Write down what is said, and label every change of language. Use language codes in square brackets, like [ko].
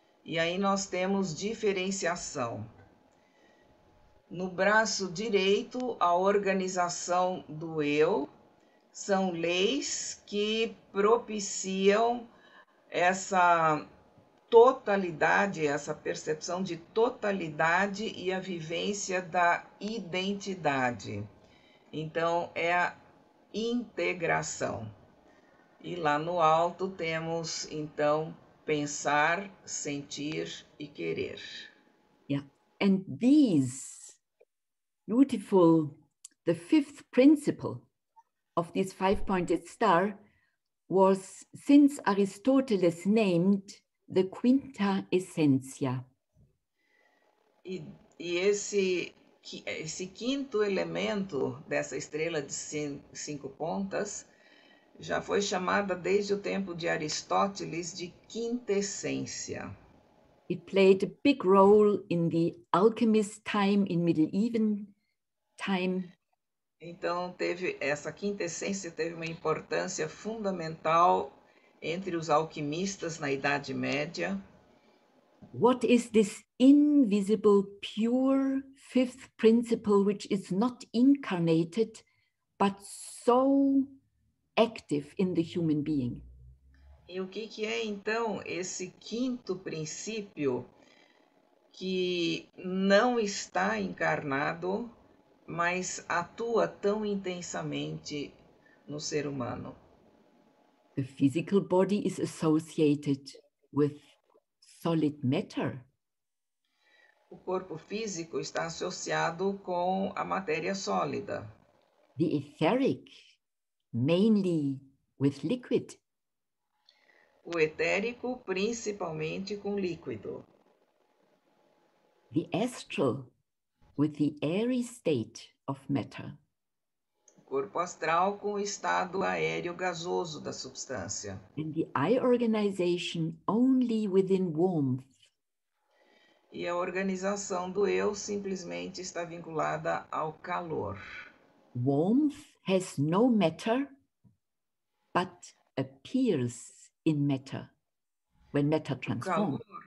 [pt] E aí nós temos diferenciação. No braço direito, a organização do eu, são leis que propiciam essa totalidade, essa percepção de totalidade e a vivência da identidade. Então, é a integração. E lá no alto temos, então, pensar, sentir e querer. [en] Yeah. And these beautiful, the fifth principle of this five-pointed star was since Aristoteles named the quinta essentia. [pt] E esse quinto elemento dessa estrela de cinco pontas já foi chamada desde o tempo de Aristóteles de quintessência. [en] It played a big role in the alchemist time in medieval time. [pt] Então, teve essa quintessência teve uma importância fundamental entre os alquimistas na Idade Média. [en] What is this invisible, pure fifth principle which is not incarnated, but so active in the human being? [pt] E o que, que é, então, esse quinto princípio que não está encarnado, mas atua tão intensamente no ser humano? [en] The physical body is associated with solid matter. [pt] O corpo físico está associado com a matéria sólida. [en] The etheric, mainly with liquid. [pt] O etérico, principalmente com líquido. [en] The astral, with the airy state of matter. [pt] O corpo astral com o estado aéreo gasoso da substância. [en] And the eye organization only within warmth. [pt] E a organização do eu simplesmente está vinculada ao calor. [en] Warmth has no matter, but appears in matter when matter transforms.